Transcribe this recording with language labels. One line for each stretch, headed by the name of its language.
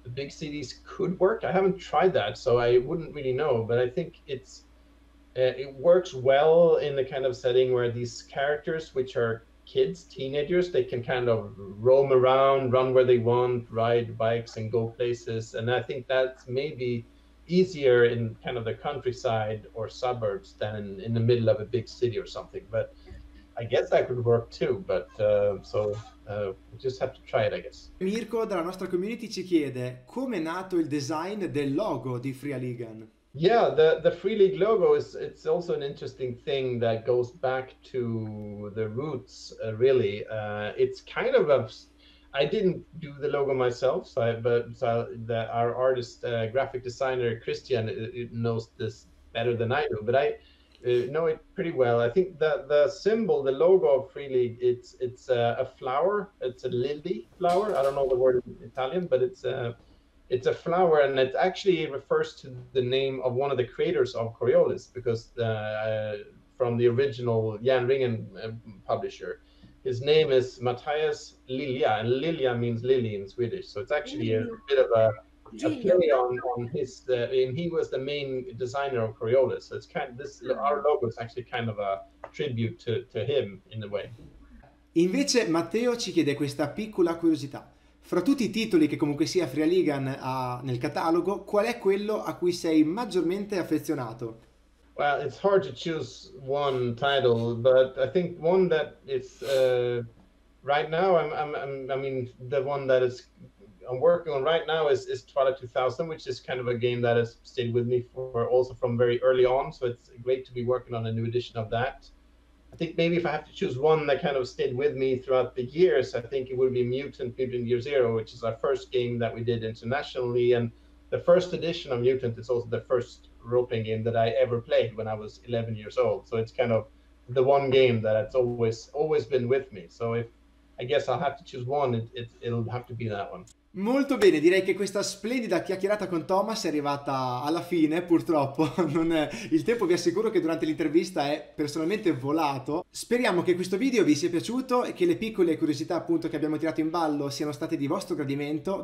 English: Big cities could work. I haven't tried that, so I wouldn't really know, but I think it works well in the kind of setting where these characters, which are kids, teenagers, they can kind of roam around, run where they want, ride bikes and go places. And I think that's maybe easier in kind of the countryside or suburbs than in the middle of a big city or something. But I guess that could work too, but we'll just have to try it, I guess.
Italian: Mirko dalla nostra community ci chiede: come è nato il design del logo di Fria Ligan?
English: Yeah, the Fria Ligan logo is also an interesting thing that goes back to the roots, really. It's kind of I didn't do the logo myself, our artist, graphic designer Christian, knows this better than I do, but I know it pretty well. I think that the symbol, the logo of Fria Ligan, it's a flower. It's a lily flower. I don't know the word in Italian, but it's a flower, and it actually refers to the name of one of the creators of Coriolis, because from the original Jan Ringen publisher, his name is Matthias Lilja, and Lilja means lily in Swedish. So it's actually a bit of a play on his, and he was the main designer of Coriolis. So it's kind of this, our logo is actually kind of a tribute to him in a way.
Italian: Invece Matteo ci chiede questa piccola curiosità: fra tutti i titoli che comunque sia Fria Ligan ha nel catalogo, qual è quello a cui sei maggiormente affezionato?
English: Well, it's hard to choose one title, but I think one that is right now, I mean the one that is I'm working on right now is Twilight 2000, which is kind of a game that has stayed with me for also from very early on. So it's great to be working on a new edition of that. I think maybe if I have to choose one that kind of stayed with me throughout the years, I think it would be Mutant Year Zero, which is our first game that we did internationally. And the first edition of Mutant is also the first role-playing game that I ever played when I was 11 years old. So it's kind of the one game that it's always been with me. So if I guess I'll have to choose one, it'll have to be that one.
Italian: Molto bene, direi che questa splendida chiacchierata con Thomas è arrivata alla fine, purtroppo. Non è... Il tempo, vi assicuro che durante l'intervista è personalmente volato. Speriamo che questo video vi sia piaciuto e che le piccole curiosità, appunto, che abbiamo tirato in ballo siano state di vostro gradimento.